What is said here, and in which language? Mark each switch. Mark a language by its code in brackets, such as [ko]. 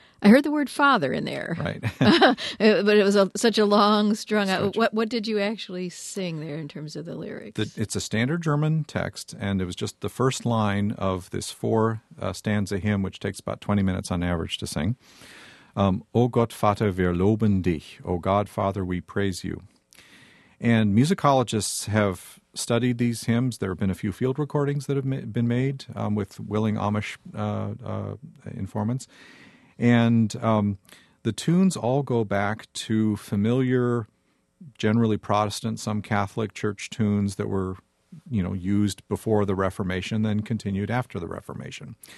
[en] I heard the word father in there. Right. But it was such a long strung out. What did you actually sing there in terms of the lyrics? It's a standard German text, and it was just the first line of this four-stanza hymn, which takes about 20 minutes on average to sing. [de] O Gott Vater, wir loben dich. [en] O God, Father, we praise you. And musicologists have studied these hymns. There have been a few field recordings that have been made with willing Amish informants. And the tunes all go back to familiar, generally Protestant, some Catholic church tunes that were, you know, used before the Reformation, then continued after the Reformation.